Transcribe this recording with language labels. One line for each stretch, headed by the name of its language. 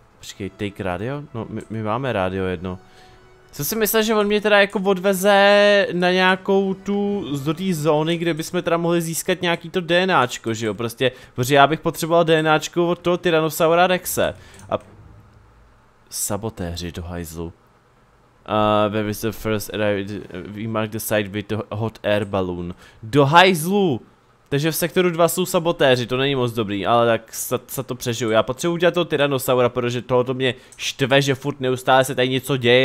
Czech: Počkej,
English: take radio?
Czech: No, my máme radio jedno. Co si myslel, že on mě teda jako odveze na nějakou tu do té zóny, kde bychom teda mohli získat nějaký to DNAčko, že jo? Prostě, protože já bych potřeboval DNAčko od toho Tyrannosaura Rexe. A sabotéři do hajzlu.
English: Where is the first arrived? We marked the site with the hot air balloon.
Czech: Do hajzlu! Takže v sektoru 2 jsou sabotéři, to není moc dobrý, ale tak se to přežiju. Já potřebuji udělat toho Tyrannosaura, protože tohoto mě štve, že furt neustále se tady něco děje.